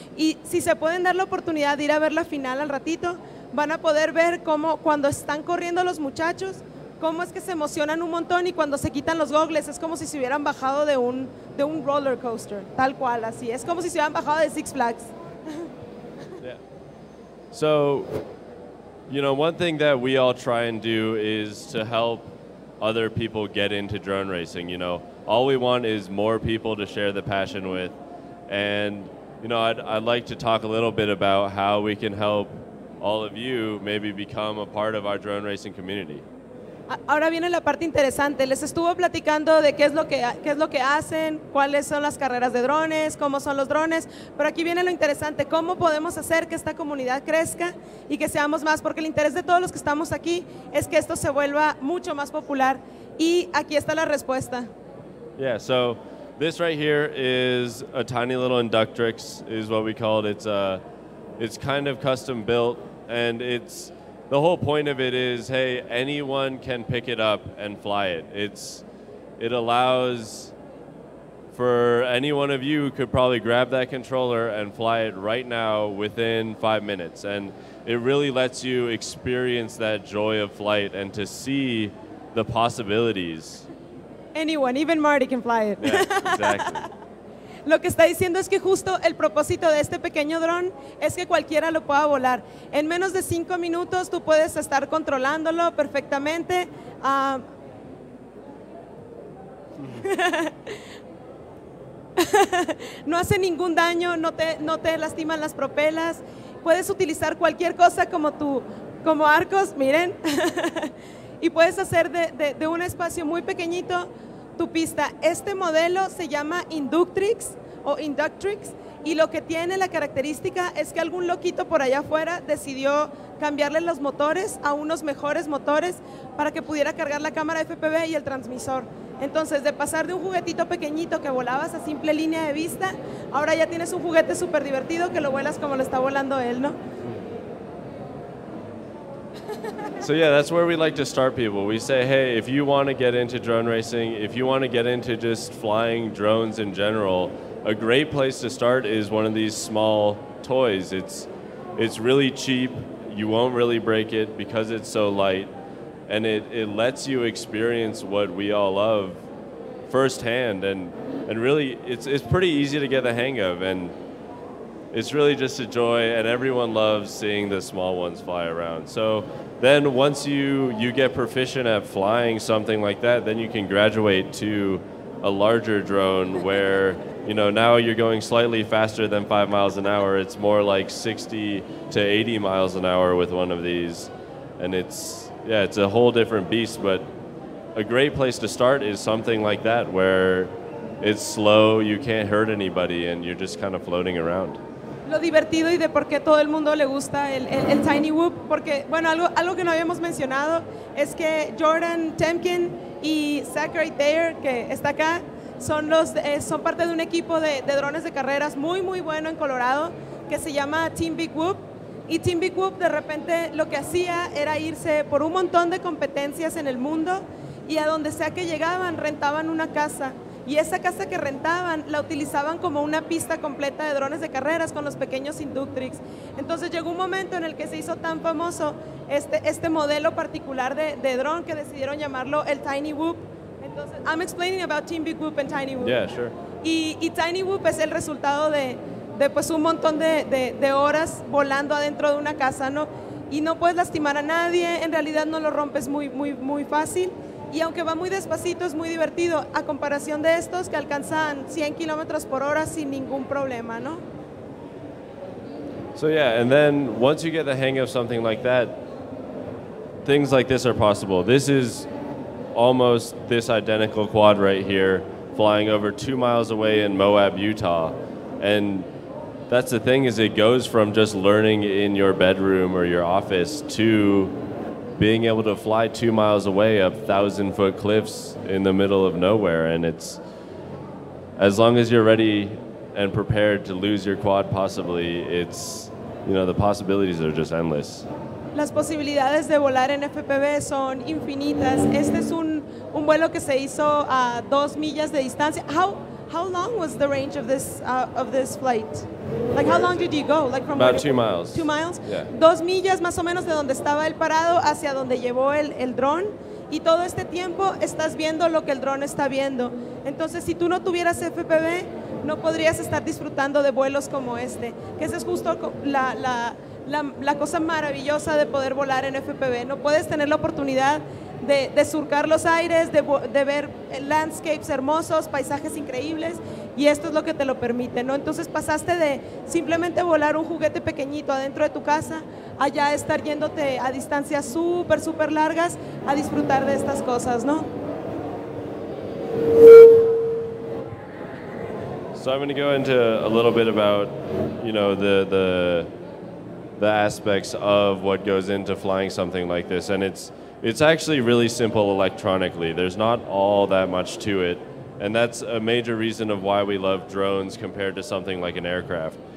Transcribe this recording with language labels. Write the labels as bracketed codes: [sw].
[es] Y si se pueden dar la oportunidad de ir a ver la final al ratito, van a poder ver cómo cuando están corriendo los muchachos, cómo es que se emocionan un montón y cuando se quitan los gogles es como si se hubieran bajado de un roller coaster, tal cual, así. Es como si se hubieran bajado de Six Flags. [en] Yeah. So, you know, one thing that we all try and do is to help other people get into drone racing, you know. All we want is more people to share the passion with. And, you know, I'd like to talk a little bit about how we can help all of you maybe become a part of our drone racing community. [es] Ahora viene la parte interesante. Les estuvo platicando de qué es lo que hacen, cuáles son las carreras de drones, cómo son los drones, pero aquí viene lo interesante, cómo podemos hacer que esta comunidad crezca y que seamos más, porque el interés de todos los que estamos aquí es que esto se vuelva mucho más popular. Y aquí está la respuesta. [en] Yeah, so this right here is a tiny little inductrix, is what we call it. It's kind of custom built, and it's the whole point of it is, hey, anyone can pick it up and fly it. It allows for any one of you could probably grab that controller and fly it right now within 5 minutes. And it really lets you experience that joy of flight and to see the possibilities. Anyone, even Marty can fly it. Yeah, exactly. [es] Lo que está diciendo es que justo el propósito de este pequeño dron es que cualquiera lo pueda volar. En menos de 5 minutos tú puedes estar controlándolo perfectamente. No hace ningún daño, no te lastiman las propelas. Puedes utilizar cualquier cosa como arcos, miren. Y puedes hacer de un espacio muy pequeñito tu pista. Este modelo se llama Inductrix o Inductrix, y lo que tiene la característica es que algún loquito por allá afuera decidió cambiarle los motores a unos mejores motores para que pudiera cargar la cámara FPV y el transmisor. Entonces, de pasar de un juguetito pequeñito que volabas a simple línea de vista, ahora ya tienes un juguete súper divertido que lo vuelas como lo está volando él, ¿no? [en] So yeah, that's where we like to start people. We say, hey, if you want to get into drone racing, if you want to get into just flying drones in general, a great place to start is one of these small toys. It's really cheap. You won't really break it because it's so light. And it lets you experience what we all love firsthand. And really, it's pretty easy to get the hang of. And it's really just a joy. And everyone loves seeing the small ones fly around. So then once you get proficient at flying something like that, then you can graduate to a larger drone where, you know, now you're going slightly faster than 5 miles an hour. It's more like 60 to 80 miles an hour with one of these. And it's a whole different beast. But a great place to start is something like that, where it's slow, you can't hurt anybody, and you're just kind of floating around. [es] Lo divertido y de por qué todo el mundo le gusta el Tiny Whoop, porque, bueno, algo que no habíamos mencionado es que Jordan Temkin y Zachary Thayer, que está acá, son parte de un equipo de drones de carreras muy, muy bueno en Colorado, que se llama Team Big Whoop, Y Team Big Whoop de repente lo que hacía era irse por un montón de competencias en el mundo y a donde sea que llegaban rentaban una casa. Y esa casa que rentaban la utilizaban como una pista completa de drones de carreras con los pequeños Inductrix. Entonces llegó un momento en el que se hizo tan famoso este modelo particular de drone que decidieron llamarlo el Tiny Whoop. [en] Entonces, I'm explaining about Team Big Whoop and Tiny Whoop. Yeah, sure. [es] Y Tiny Whoop es el resultado de pues un montón de horas volando adentro de una casa, ¿no? Y no puedes lastimar a nadie, en realidad no lo rompes muy, muy, muy fácil. Y aunque va muy despacito, es muy divertido, a comparación de estos que alcanzan 100 kilómetros por hora sin ningún problema, ¿no? [en] So yeah, and then once you get the hang of something like that, things like this are possible. This is almost this identical quad right here, flying over 2 miles away in Moab, Utah. And that's the thing, is it goes from just learning in your bedroom or your office to being able to fly 2 miles away up 1,000-foot cliffs in the middle of nowhere. And it's, as long as you're ready and prepared to lose your quad possibly, it's, you know, the possibilities are just endless. [es] Las posibilidades de volar en FPV son infinitas. Este es un vuelo que se hizo a 2 millas de distancia. [en] How long was the range of this flight? Like, how long did you go? Like, from about 2 miles. 2 miles? Yeah. [es] 2 millas más o menos de donde estaba el parado hacia donde llevó el dron. Y todo este tiempo estás viendo lo que el dron está viendo. Entonces, si tú no tuvieras FPV, no podrías estar disfrutando de vuelos como este. Que ese es justo la cosa maravillosa de poder volar en FPV. No puedes tener la oportunidad de surcar los aires, de ver landscapes hermosos, paisajes increíbles, y esto es lo que te lo permite, ¿no? Entonces pasaste de simplemente volar un juguete pequeñito adentro de tu casa, allá estar yéndote a distancias súper, súper largas, a disfrutar de estas cosas, ¿no? [en] So I'm going to go into a little bit about, you know, the aspects of what goes into flying something like this, and it's actually really simple electronically. There's not all that much to it, and that's a major reason of why we love drones compared to something like an aircraft.